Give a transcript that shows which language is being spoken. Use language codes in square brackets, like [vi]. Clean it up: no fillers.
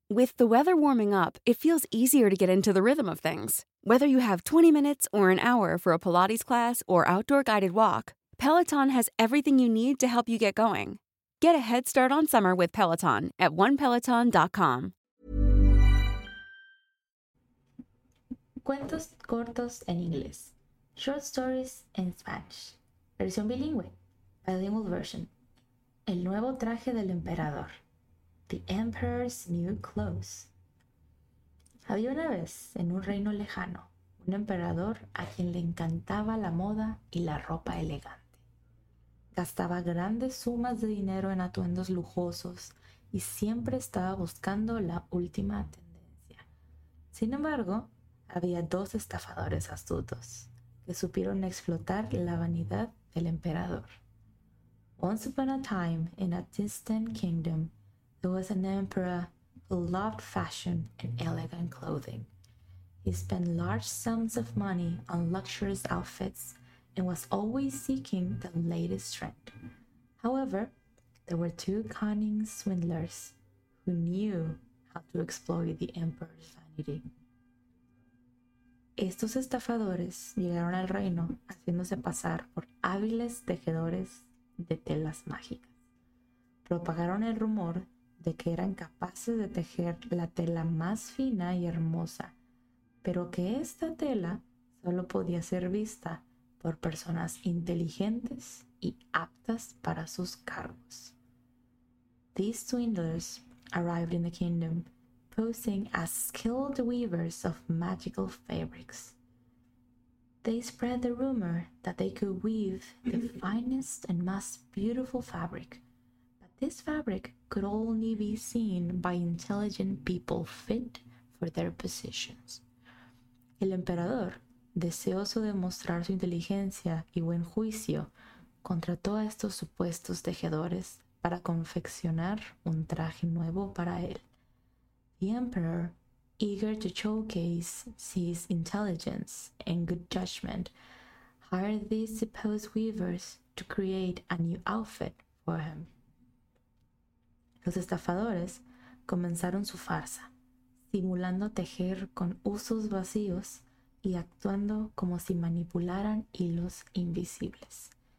[en] With the weather warming up, it feels easier to get into the rhythm of things. Whether you have 20 minutes or an hour for a Pilates class or outdoor guided walk, Peloton has everything you need to help you get going. Get a head start on summer with Peloton at onepeloton.com. [es] Cuentos cortos en inglés. Short stories in Spanish. Versión bilingüe. [en] Bilingual version. [es] El nuevo traje del emperador. [en] The Emperor's New Clothes. [es] Había una vez, en un reino lejano, un emperador a quien le encantaba la moda y la ropa elegante. Gastaba grandes sumas de dinero en atuendos lujosos y siempre estaba buscando la última tendencia. Sin embargo, había dos estafadores astutos que supieron explotar la vanidad del emperador. [en] Once upon a time, in a distant kingdom, there was an emperor who loved fashion and elegant clothing. He spent large sums of money on luxurious outfits and was always seeking the latest trend. However, there were two cunning swindlers who knew how to exploit the emperor's vanity. [es] Estos estafadores llegaron al reino haciéndose pasar por hábiles tejedores de telas mágicas. Propagaron el rumor de que eran capaces de tejer la tela más fina y hermosa, pero que esta tela solo podía ser vista por personas inteligentes y aptas para sus cargos. [en] These swindlers arrived in the kingdom, posing as skilled weavers of magical fabrics. They spread the rumor that they could weave the finest and most beautiful fabric, but this fabric could only be seen by intelligent people fit for their positions. [es] El emperador, deseoso de mostrar su inteligencia y buen juicio, contrató a estos supuestos tejedores para confeccionar un traje nuevo para él. [en] The emperor, eager to showcase his intelligence and good judgment, hired these supposed weavers to create a new outfit for him. [es] Los estafadores comenzaron su farsa, simulando tejer con usos vacíos y actuando como si manipularan hilos invisibles.